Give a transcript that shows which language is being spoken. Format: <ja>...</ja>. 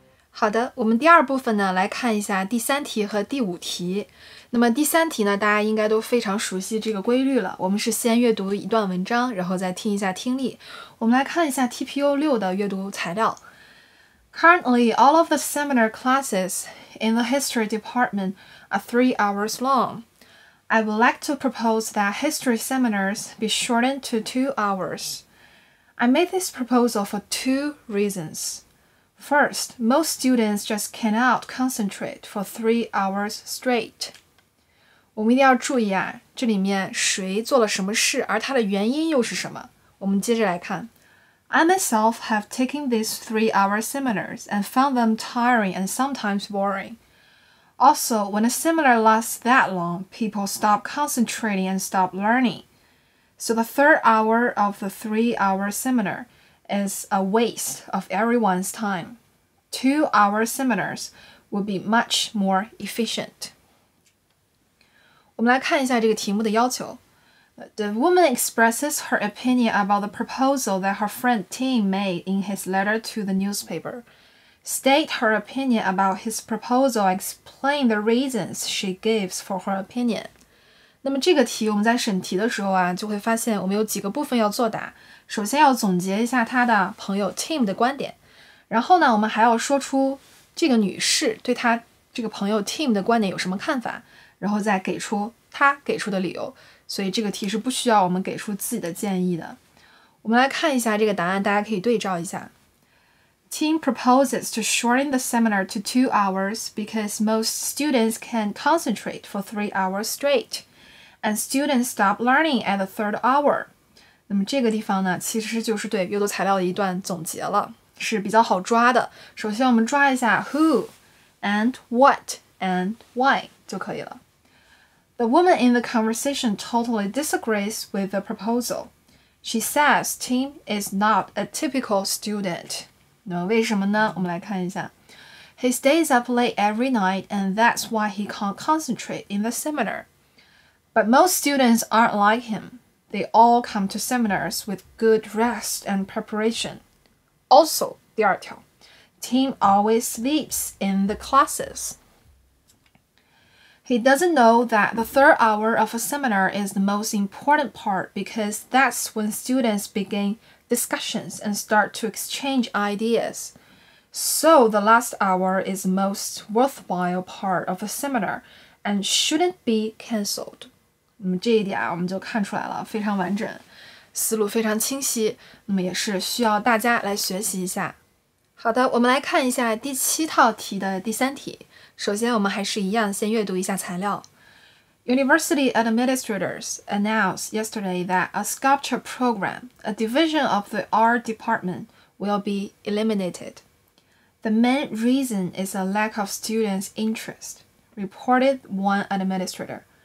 <zh>好的，我们第二部分呢，来看一下第三题和第五题。那么第三题呢，大家应该都非常熟悉这个规律了。我们是先阅读一段文章，然后再听一下听力。我们来看一下 TPO6 的阅读材料。</zh> <en>Currently, all of the seminar classes in the history department are 3 hours long. I would like to propose that history seminars be shortened to 2 hours. I made this proposal for 2 reasons. First, most students just cannot concentrate for 3 hours straight.</en> <zh>我们一定要注意啊，这里面谁做了什么事，而它的原因又是什么？我们接着来看。</zh> <en>I myself have taken these 3-hour seminars and found them tiring and sometimes boring. Also, when a seminar lasts that long, people stop concentrating and stop learning. So the third hour of the 3-hour seminar,is a waste of everyone's time. 2-hour seminars would be much more efficient.</en> <zh>我们来看一下这个题目的要求。</zh> <en>The woman expresses her opinion about the proposal that her friend Tim made in his letter to the newspaper. State her opinion about his proposal and explain the reasons she gives for her opinion.</en> <zh>那么这个题我们在审题的时候啊，就会发现我们有几个部分要作答。首先要总结一下他的朋友 Tim 的观点，然后呢，我们还要说出这个女士对他这个朋友 Tim 的观点有什么看法，然后再给出他给出的理由。所以这个题是不需要我们给出自己的建议的。我们来看一下这个答案，大家可以对照一下。</zh> <en>Tim proposes to shorten the seminar to 2 hours because most students can concentrate for 3 hours straight. And students stop learning at the third hour.</en> <zh>那么这个地方呢，其实就是对阅读材料的一段总结了，是比较好抓的。首先我们抓一下</zh> <en>who, and what, and why</en> <zh>就可以了。</zh> <en>The woman in the conversation totally disagrees with the proposal. She says Tim is not a typical student.</en> <zh>那么为什么呢？我们来看一下。</zh> <en>He stays up late every night, and that's why he can't concentrate in the seminar. But most students aren't like him. They all come to seminars with good rest and preparation. Also,</en> <zh>第二条</zh> <en>Tim always sleeps in the classes. He doesn't know that the third hour of a seminar is the most important part because that's when students begin discussions and start to exchange ideas. So the last hour is the most worthwhile part of a seminar and shouldn't be canceled.</en> <zh>那么这一点啊，我们就看出来了，非常完整，思路非常清晰，那么也是需要大家来学习一下。好的，我们来看一下第七套题的第三题。首先我们还是一样先阅读一下材料。</zh> <en>University administrators announced yesterday that a sculpture program, a division of the art department, will be eliminated. The main reason is a lack of students' interest, reported one administrator.</en>